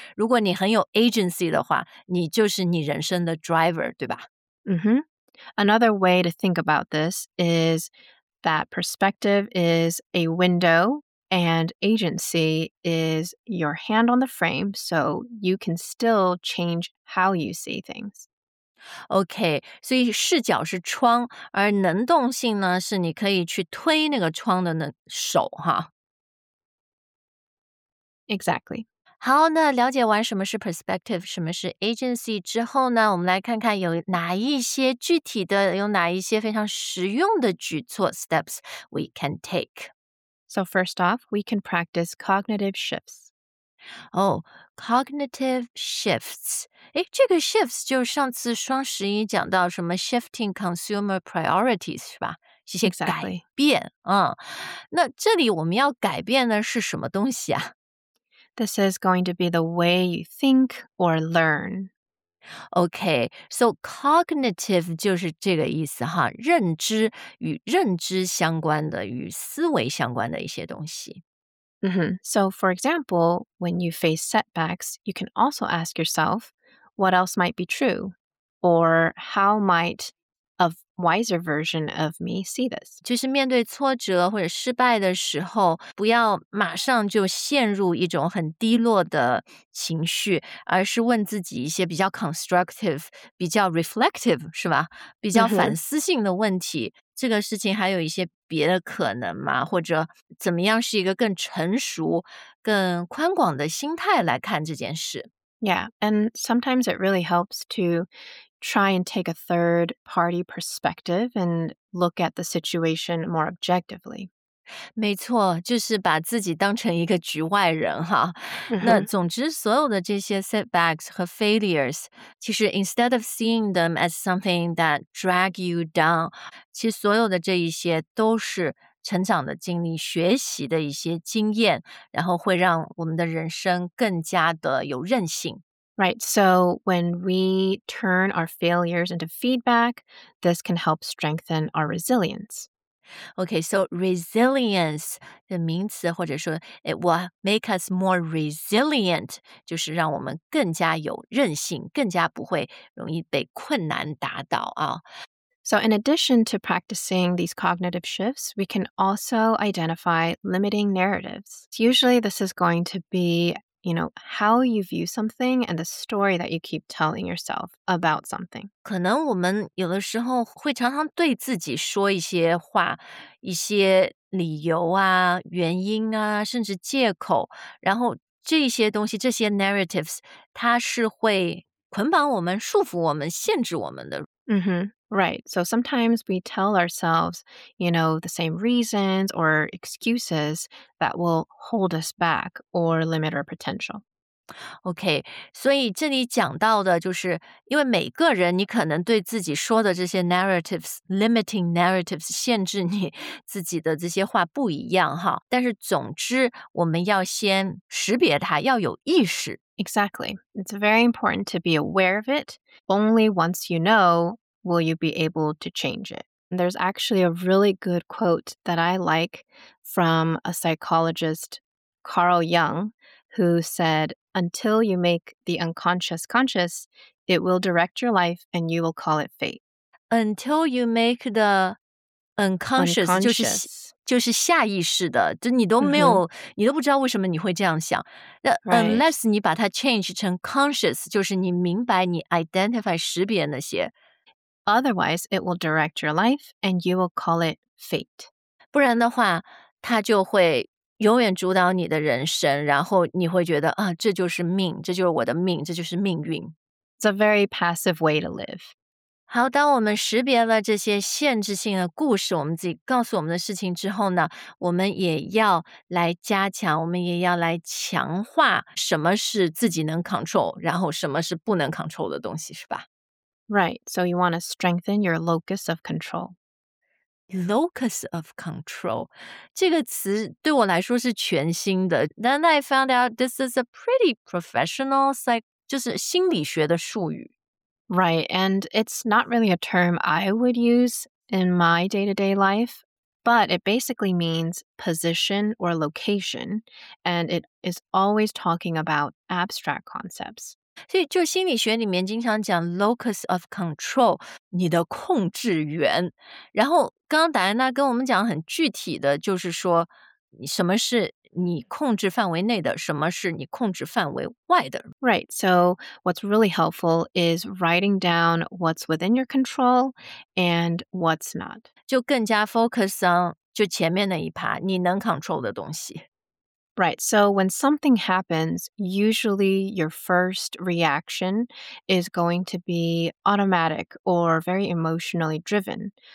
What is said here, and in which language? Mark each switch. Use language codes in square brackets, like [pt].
[zh] 如果你很有 agency 的话，你就是你人生的 driver, 对吧？ Mm-hmm. [en] Another way to think about this is that perspective is a window. And agency is your hand on the frame, so you can still change how you see things. [zh] Okay, 所以视角是窗，而能动性呢，是你可以去推那个窗的那手哈。 [en] Exactly. [zh] 好，那了解完什么是 perspective, 什么是 agency 之后呢，我们来看看有哪一些具体的，有哪一些非常实用的举措 [en] steps we can take. So first off, we can practice cognitive shifts. Oh, cognitive shifts. [zh] 诶，这个 shifts 就上次双十一讲到什么 [en] shifting consumer priorities, [zh] 是吧？一些改变。那这里我们要改变的是什么东西啊？ [en] This is going to be the way you think or learn. Okay, so cognitive [zh] 就是这个意思哈，认知与认知相关的，与思维相关的一些东西。 Mm-hmm. [en] So for example, when you face setbacks, you can also ask yourself, what else might be true? Or how might a wiser version of me see this? [zh] 就是面对挫折或者失败的时候，不要马上就陷入一种很低落的情绪，而是问自己一些比较 constructive, 比较 reflective, 是吧？比较反思性的问题。这个事情还有一些别的可能吗？或者怎么样是一个更成熟、更宽广的心态来看这件事？ [en] Yeah, and sometimes it really helps to try and take a third party perspective and look at the situation more objectively. [zh] 没错，就是把自己当成一个局外人哈。那总之，所有的这些 setbacks 和 failures， 其实 [en] instead of seeing them as something that drag you down， [zh] 其实所有的这一些都是成长的经历、学习的一些经验，然后会让我们的人生更加的有韧性。 [en] Right. So when we turn our failures into feedback, this can help strengthen our resilience. Okay, so resilience, [zh] 的名词或者说 [en] it will make us more resilient, [zh] 就是让我们更加有韧性，更加不会容易被困难打倒啊。 [en] So in addition to practicing these cognitive shifts, we can also identify limiting narratives. Usually this is going to be, you know, how you view something and the story that you keep telling yourself about something. [zh] 可能我们有的时候会常常对自己说一些话，一些理由啊，原因啊，甚至借口，然后这些东西，这些 narratives, 它是会捆绑我们，束缚我们，限制我们的。 [en] Mm-hmm. Right. So sometimes we tell ourselves, you know, the same reasons or excuses that will hold us back or limit our potential. [zh] Okay. 所以这里讲到的就是因为每个人你可能对自己说的这些 narratives, [en] limiting narratives, [zh] 限制你自己的这些话不一样哈。但是总之我们要先识别它，要有意识。 [en] Exactly. It's very important to be aware of it. Only once you know will you be able to change it. And there's actually a really good quote that I like from a psychologist, Carl Jung, who said, "Until you make the unconscious conscious, it will direct your life and you will call it fate." Until you make the unconscious, [zh] 就是下意识的，就你都没有、mm-hmm. 你都不知道为什么你会这样想。那、 [en] right. [zh] unless 你把它 change 成 conscious, 就是你明白你 identify 识别那些。 [en] Otherwise, it will direct your life and you will call it fate. [zh] 不然的话它就会永远主导你的人生，然后你会觉得啊，这就是命，这就是我的命，这就是命运。 [en] It's a very passive way to live. [zh] 好，当我们识别了这些限制性的故事，我们自己告诉我们的事情之后呢，我们也要来加强，我们也要来强化什么是自己能 control, 然后什么是不能 control 的东西，是吧？ [en] Right, so you want to strengthen your locus of control. Locus of control, [zh] 这个词对我来说是全新的。 [en] Then I found out this is a pretty professional, like, [zh] 就是心理学的术语。 [en] Right, and it's not really a term I would use in my day-to-day life, but it basically means position or location, and it is always talking about abstract concepts. [zh] 所以就心理学里面经常讲 [en] locus of control, [zh] 你的控制源。然后刚刚达安娜跟我们讲很具体的就是说什么是你控制范围内的，什么是你控制范围外的。 [en] Right, so what's really helpful is writing down what's within your control and what's not. [zh] 就更加 [en] focus on [zh] 就前面那一趴你能 control 的东西。 [en] Right, so when something happens, usually your first reaction is going to be automatic or very emotionally driven.